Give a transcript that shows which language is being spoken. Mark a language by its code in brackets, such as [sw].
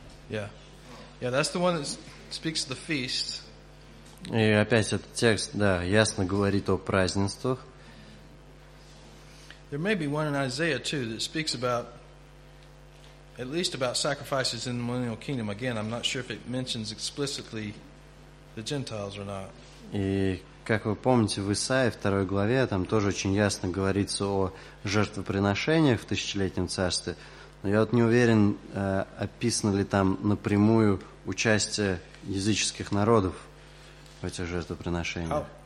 [en] Yeah, that's the one that speaks of the feast. [ru] И опять этот текст, да, ясно говорит о празднествах. [en] There may be one in Isaiah too that speaks about, at least about sacrifices in the millennial kingdom. Again, I'm not sure if it mentions explicitly the Gentiles or not. [ru] И как вы помните, в Исаии 2 главе там тоже очень ясно говорится о жертвоприношениях в тысячелетнем царстве. Но я вот не уверен, описано ли там напрямую участие языческих народов в этих жертвоприношениях.